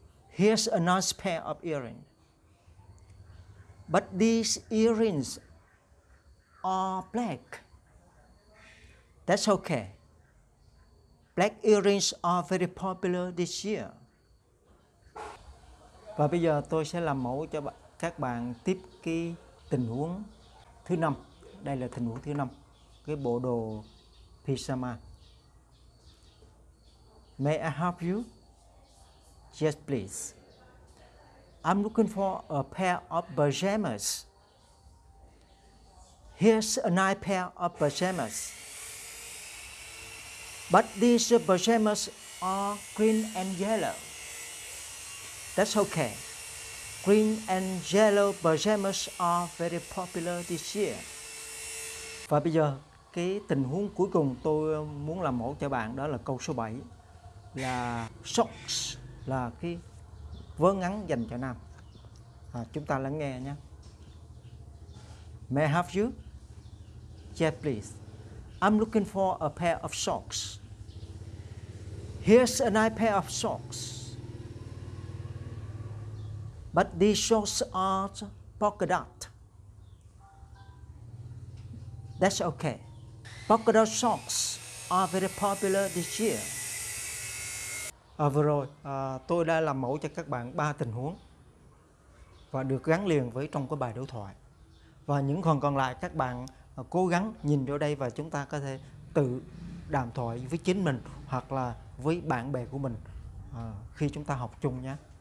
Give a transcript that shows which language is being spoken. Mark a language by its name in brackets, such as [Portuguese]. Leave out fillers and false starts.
[English] Here's a nice pair of earrings. But these earrings are black. That's okay. Black earrings are very popular this year. [Vietnamese] Và bây giờ tôi sẽ làm mẫu cho các bạn tiếp cái tình huống thứ năm. Đây là tình huống thứ năm. Cái bộ đồ pyjama. [English] May I help you? Yes, please. I'm looking for a pair of pajamas. Here's a nice pair of pajamas. But these pajamas are green and yellow. That's okay. Green and yellow pajamas are very popular this year. [Vietnamese] Và bây giờ cái tình huống cuối cùng tôi muốn làm mẫu cho bạn đó là câu số 7 là socks là cái vớ ngắn dành cho nam. À, chúng ta lắng nghe nhé. [English] May I have you? Yeah, please. I'm looking for a pair of socks. Here's a nice pair of socks. But these socks aren't polka dot. That's okay. Polka dot socks are very popular this year. [Vietnamese] À, vừa rồi, tôi đã làm mẫu cho các bạn 3 tình huống và được gắn liền với trong cái bài đối thoại. Và những phần còn lại các bạn cố gắng nhìn vô đây và chúng ta có thể tự đàm thoại với chính mình hoặc là với bạn bè của mình khi chúng ta học chung nhé.